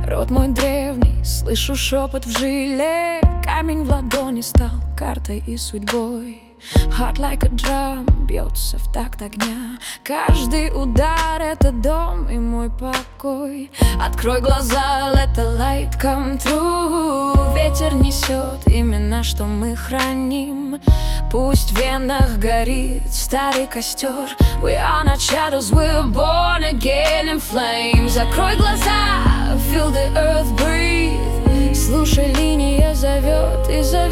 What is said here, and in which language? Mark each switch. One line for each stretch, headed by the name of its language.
Russian: мой древний, слышу шепот в жиле. Камень в ладони стал картой и судьбой.
English: Heart like a drum
Russian: бьется в такт огня. Каждый удар — это дом и мой покой. Открой глаза,
English: let the light come true.
Russian: Ветер несет имена, что мы храним. Пусть в венах горит старый костер.
English: We are not shadows, we're born again in flames.
Russian: Закрой глаза,
English: feel the earth breathe.
Russian: Слушай, линия зовет и зовет.